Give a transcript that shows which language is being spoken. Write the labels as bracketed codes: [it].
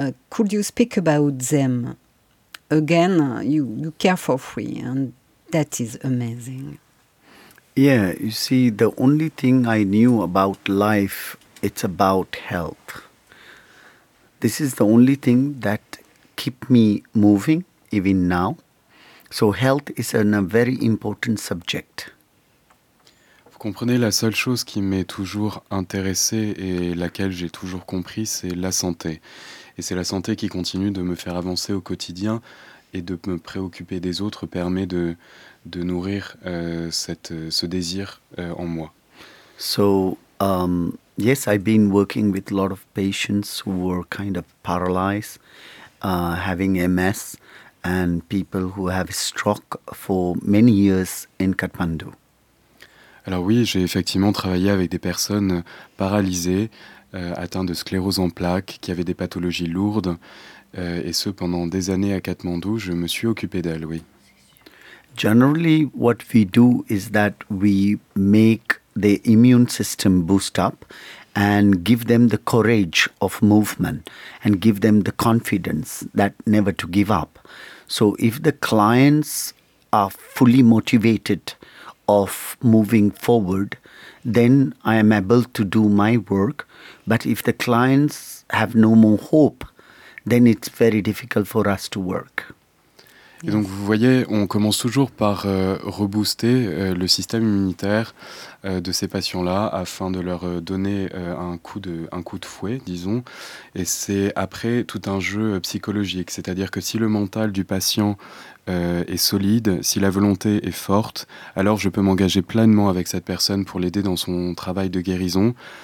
[en] Could you speak about them? Again, you care for free, and that is amazing. Yeah, you see, the only thing I knew about life, it's about health. This is the only thing that keep me moving, even now. So health is a very important subject. [fr] Vous comprenez, la seule chose qui m'est toujours intéressée et laquelle j'ai toujours compris, c'est la santé. Et c'est la santé qui continue de me faire avancer au quotidien et de me préoccuper des autres permet de nourrir ce désir en moi. [en] So, yes, I've been working with a lot of patients who were kind of paralyzed, having MS and people who have stroke for many years in Kathmandu. [fr] Alors oui, j'ai effectivement travaillé avec des personnes paralysées, atteint de sclérose en plaques, qui avait des pathologies lourdes, et ce pendant des années à Katmandou, je me suis occupé d'elle, oui. [en] Generally, what we do is that we make the immune system boost up and give them the courage of movement and give them the confidence that never to give up. So if the clients are fully motivated of moving forward, then I am able to do my work. But if the clients have no more hope, then it's very difficult for us to work. [fr] Et donc vous voyez, on commence toujours par rebooster le système immunitaire de ces patients-là afin de leur donner un coup de fouet, disons. Et c'est après tout un jeu psychologique, c'est-à-dire que si le mental du patient est solide, si la volonté est forte, alors je peux m'engager pleinement avec cette personne pour l'aider dans son travail de guérison.